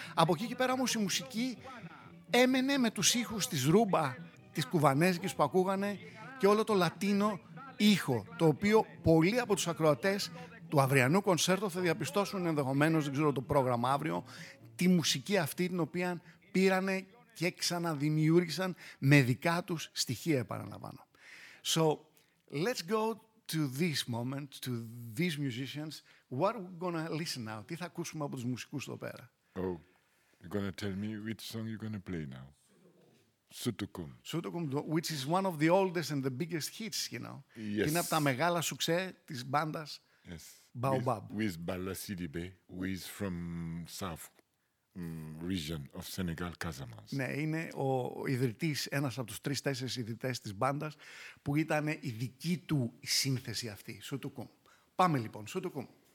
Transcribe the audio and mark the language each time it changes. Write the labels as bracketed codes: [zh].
[el] Από εκεί και πέρα όμως η μουσική έμενε με τους ήχους της ρούμπα, της κουβανέζικης που ακούγανε και όλο το λατίνο ήχο, το οποίο πολλοί από τους ακροατές του αυριανού κονσέρτο θα διαπιστώσουν ενδεχομένως, δεν ξέρω το πρόγραμμα αύριο, τη μουσική αυτή την οποία πήρανε και ξαναδημιούργησαν με δικά τους στοιχεία, επαναλαμβάνω. [en] So, let's go to this moment, to these musicians. What are we gonna listen now? [el] Τι θα ακούσουμε από τους μουσικούς εδώ πέρα? [en] Oh. You're going to tell me which song you're going to play now. Sutukum. Sutukum, which is one of the oldest and the biggest hits, you know. Yes. [el] Είναι από τα μεγάλα σουξέ της μπάντας Baobab. [en] With Bala Sidibe, who is from South region of Senegal, Casamance. [el] Ναι, είναι ο ιδρυτής, ένας από τους 3-4 ιδρυτές της μπάντας, που ήταν η δική του σύνθεση αυτή, Σουτουκούμ. Πάμε λοιπόν, Σουτουκούμ.